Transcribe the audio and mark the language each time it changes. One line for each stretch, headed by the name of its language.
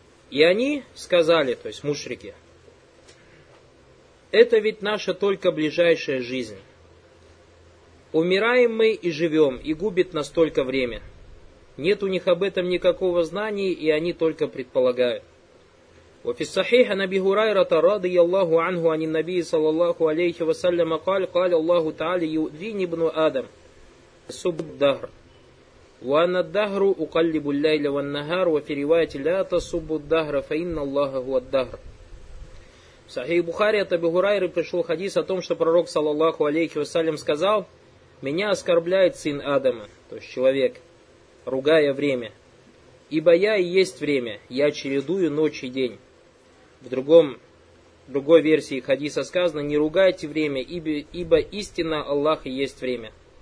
Russian: И они сказали, то есть мушрики, это ведь наша только ближайшая жизнь. Умираем мы и живем, и губит нас только время. Нет у них об этом никакого знания, и они только предполагают.
Arabic: وفي الصحيح عن أبي هريرة رضي الله عنه عن النبي صلى الله عليه وسلم قال قال الله تعالى يؤذيني ابن آدم سب الدهر وأن الدهر أقلب الليل والنهار وفي رواية لا تسب الدهر فإن الله هو الدهر.
Russian: В Сахих Бухари от Абу Хурайры пришел хадис о том, что пророк саллаллаху алейхи вассалям сказал: меня оскорбляет сын Адама, то есть человек, ругая время, ибо я и есть время, я чередую ночь и день. В другой версии хадиса сказано: не ругайте время, ибо истинно Аллах и есть время.